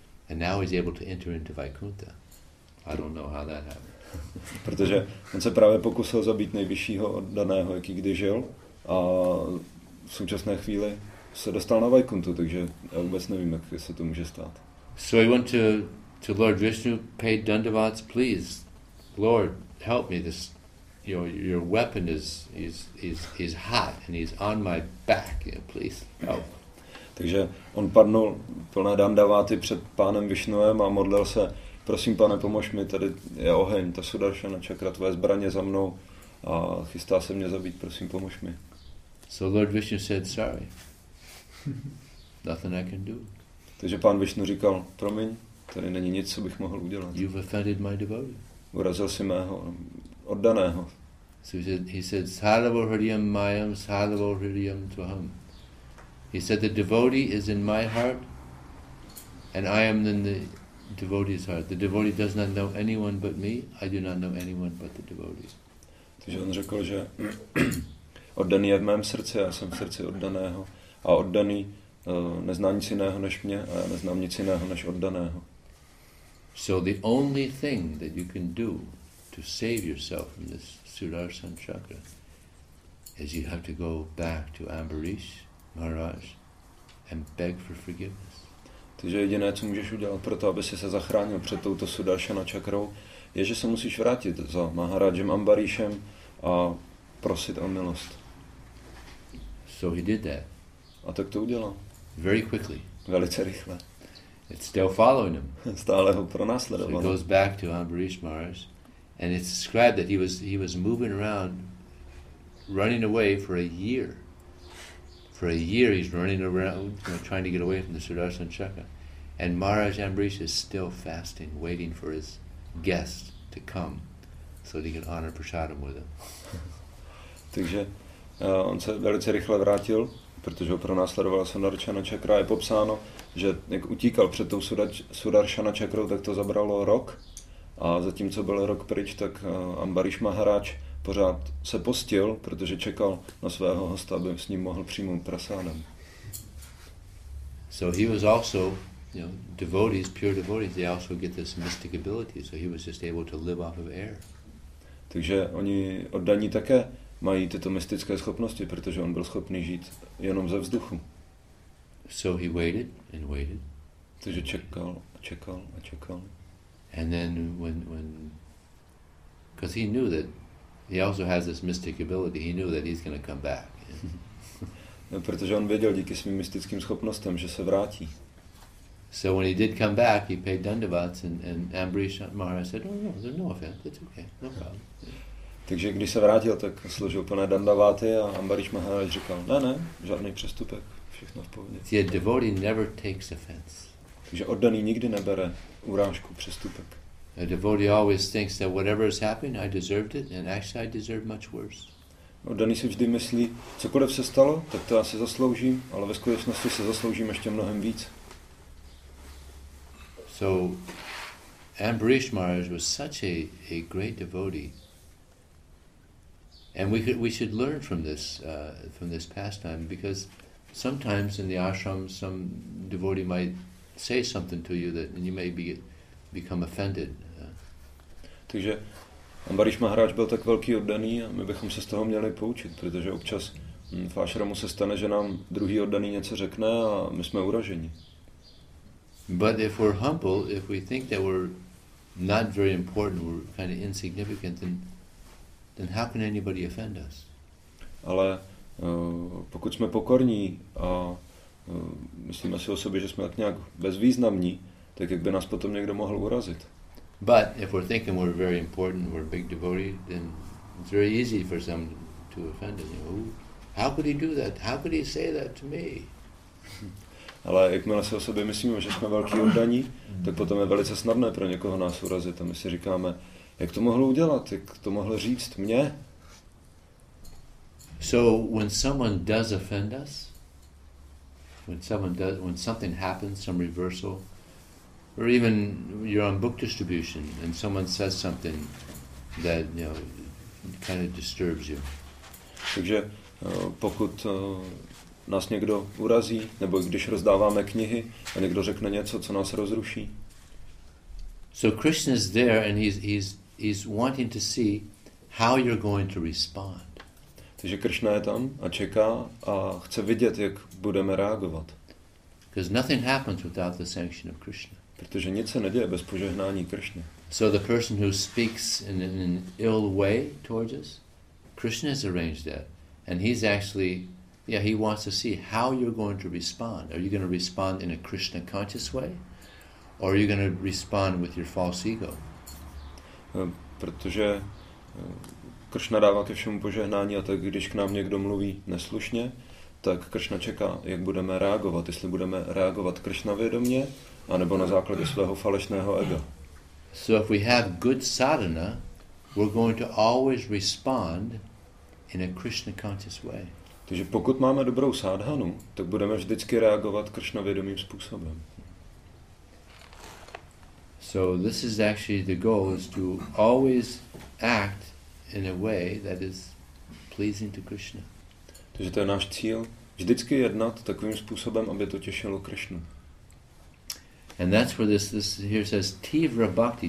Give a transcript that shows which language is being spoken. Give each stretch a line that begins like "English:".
English: And now he's able to enter into Vaikuntha. I don't know how that happened.
Czech: Protože on se právě pokusil zabít nejvyššího oddaného, jaký kdy žil. A v současné chvíli se dostal na Vaikuntu, takže já vůbec nevím, jak se to může stát.
English: So he went to Lord Vishnu, paid dandavats, please, Lord, help me, this you know, your weapon is hot and he's on my back. Yeah, please help.
Czech: Takže on padnul plné dandaváty před pánem Višnuem a modlil se, prosím pane, pomož mi, tady je oheň, ta sudaršana čakra, tvoje zbraně za mnou a chystá se mě zabít, prosím, pomož mi.
English: So Lord Vishnu said, sorry, nothing I can do.
Czech: Takže pán Višnu říkal, promiň, tady není nic, co bych mohl udělat.
English: You've offended my devotee.
Czech: Urazil si mého oddaného.
English: So he said,
Sanskrit: sadavo hridyam mayam, sadavo hridyam tvaham.
English: He said the devotee is in my heart and I am in the devotee's heart. The devotee does not know anyone but me. I do not know anyone but the devotee.
Czech: Takže on řekl, že oddaný je v mém srdci, já jsem v srdci oddaného a oddaný nezná nic jiného než mě a já neznám nic jiného než oddaného.
English: So the only thing that you can do to save yourself from this Sudarshan chakra is you have to go back to Ambarish Maharaj and beg for forgiveness.
Czech: Takže jediné, co můžeš udělat pro to, aby jsi se zachránil před touto Sudarshana čakrou, je, že se musíš vrátit za Maharajem Ambarishem a prosit o milost.
English: So he did that.
Czech: A tak to udělal.
English: Very quickly.
Czech: Velice rychle.
English: It's still following him.
Czech: Stále ho pronásledoval.
English: So he goes back to Ambarish Maharaj and it's described that he was moving around running away for a year. For a year he's running around, you know, trying to get away from the Sudarshan chakra. And Maharaj Ambarish is still fasting, waiting for his guest to come so that he can honor prasadam with him.
Czech: Takže on se velice rychle vrátil, protože ho pronásledovala Sudarshana chakra. Je popsáno, že jak utíkal před tou Sudarshana chakrou, tak to zabralo rok. A zatímco byl rok pryč, tak Ambarish Maharaj pořád se postil, protože čekal na svého hosta, aby s ním mohl přijmout prasádem.
English: So he was also, you know, devotees, pure devotees, they also get this mystic ability, so he was just able to live off of air.
Czech: Takže oni oddaní také mají tyto mystické schopnosti, protože on byl schopný žít jenom ze vzduchu.
English: So he waited and waited.
Czech: Takže čekal a čekal a čekal.
English: And then when, because he knew that he also has this mystic ability. He knew that he's going to come back.
Czech: No, protože on věděl díky svým mystickým schopnostem, že se vrátí.
English: So when he did come back, he paid dandavats and Ambarish Maharaj said, "Oh no, there's no offense. That's okay, no problem."
Czech: Takže když se vrátil, tak složil plné dandaváty a Ambarish Maharaj říkal, ne, žádný přestupek, všechno v pohodě.
English: See, a devotee never takes offense.
Czech: Takže oddaný nikdy nebere urážku, přestupek.
English: A devotee always thinks that whatever has happened, I deserved it, and actually I deserve much worse.
Czech: Oddaný si vždy myslí, cokoliv se stalo, tak to já si zasloužím, ale ve skutečnosti se zasloužím ještě mnohem víc.
English: So, Ambarish Maharaj was such a great devotee. And we should learn from this pastime, because sometimes in the ashram, some devotee might say something to you that and you may become offended.
Czech: Takže Ambarish Maharaj byl tak velký oddaný a my bychom se z toho měli poučit, protože občas v ashramu se stane, že nám druhý oddaný něco řekne a my jsme uraženi.
English: But if we're humble, if we think that we're not very important, we're kind of insignificant, then how can anybody offend us?
Czech: Ale pokud jsme pokorní a myslíme si o sobě, že jsme tak nějak bezvýznamní, tak jak by nás potom někdo mohl urazit?
English: But if we're thinking we're very important, we're a big devotee, then it's very easy for someone to offend us. You know, how could he do that? How could he say that to me?
Czech: Ale jakmile si o sobě myslíme, že jsme velký oddaní, tak potom je velice snadné pro někoho nás urazit. A my si říkáme, jak to mohlo udělat? Jak to mohlo říct mně?
English: So when someone does offend us, when something happens, some reversal, or even you're on book distribution and someone says something that, you know, kind of disturbs you.
Czech: Takže pokud nás někdo urazí, nebo když rozdáváme knihy a někdo řekne něco, co nás rozruší.
English: So Krishna is there and he's wanting to see how you're going to respond.
Czech: Takže Krishna je tam a čeká a chce vidět, jak budeme reagovat.
English: Because nothing happens without the sanction of Krishna.
Czech: Protože nic se neděje bez požehnání Krishny.
English: So the person who speaks in an ill way towards us, Krishna has arranged that. And he's actually, yeah, he wants to see how you're going to respond. Are you going to respond in a Krishna conscious way? Or are you going to respond with your false ego?
Czech: Protože Krishna dává ke všemu požehnání, a tak když k nám někdo mluví neslušně, tak Krishna čeká, jak budeme reagovat, jestli budeme reagovat Krishna vědomě, anebo na základě svého falešného ega.
English: So if we have good sadhana, we're going to always respond in a Krishna conscious way.
Czech: Takže pokud máme dobrou sadhanu, tak budeme vždycky reagovat Krishna vědomým způsobem.
English: So this is actually the goal, is to always act in a way that is pleasing to Krishna.
Czech: Takže to je náš cíl, vždycky jednat takovým způsobem, aby to těšilo Krishnu.
English: And that's where this here says tivra bhakti.